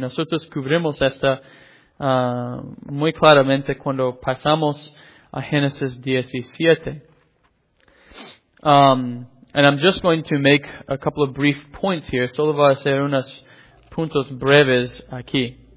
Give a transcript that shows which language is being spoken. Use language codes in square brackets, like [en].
[es] Nosotros cubrimos esta muy claramente cuando pasamos a Genesis 17. [en] And I'm just going to make a couple of brief points here. [es] Solo voy a hacer unos puntos breves aquí.